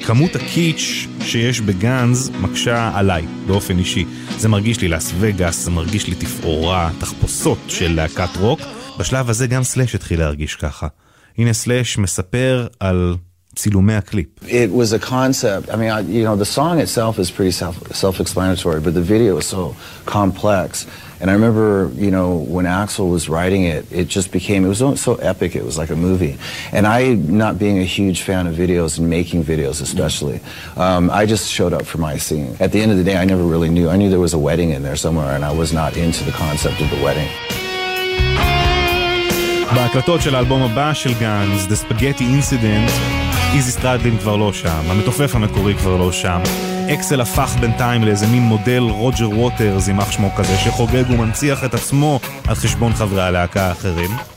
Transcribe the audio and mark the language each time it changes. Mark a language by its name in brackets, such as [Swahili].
[Hebrew] כמות הקיץ' שיש בגנז מקשה עליי, באופן אישי. זה מרגיש לי לס וגאס, זה מרגיש לי תפאורה, תחפושות של להקת רוק. בשלב הזה גם סלש התחיל להרגיש ככה. הנה סלש מספר על צילומי הקליפ. [English] It was a concept. I mean, you know, the song itself is pretty self-explanatory, but the video is so complex. And I remember, you know, when Axel was writing it, it just became, it was so epic, it was like a movie. And I, not being a huge fan of videos and making videos especially, I just showed up for my scene. At the end of the day, I never really knew. I knew there was a wedding in there somewhere, and I was not into the concept of the wedding. [Hebrew] בהקלטות של האלבום הבא של גאנז, The Spaghetti Incident, איזי סטרדלין כבר לא שם, המתופף המקורי כבר לא שם, אקסל הפך בינתיים לאיזה מין מודל רוג'ר ווטרס עם אח שמו כזה, שחוגג ומנציח את עצמו על חשבון חברי הלהקה האחרים.